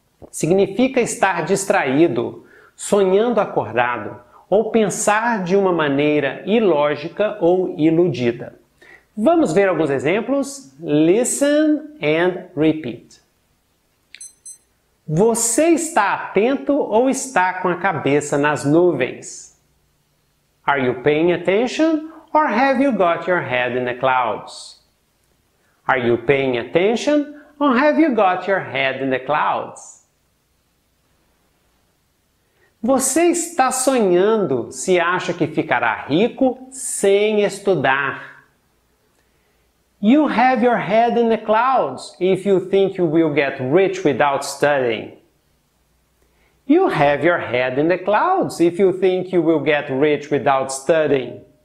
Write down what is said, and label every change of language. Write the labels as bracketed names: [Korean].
[Portuguese] Significa estar distraído, sonhando acordado ou pensar de uma maneira ilógica ou iludida. Vamos ver alguns exemplos? [English] Listen and repeat. [Portuguese] Você está atento ou está com a cabeça nas nuvens? [English] Are you paying attention or have you got your head in the clouds? Are you paying attention or have you got your head in the clouds? [Portuguese] Você está sonhando se acha que ficará rico sem estudar. [English] You have your head in the clouds if you think you will get rich without studying. You have your head in the clouds if you think you will get rich without studying.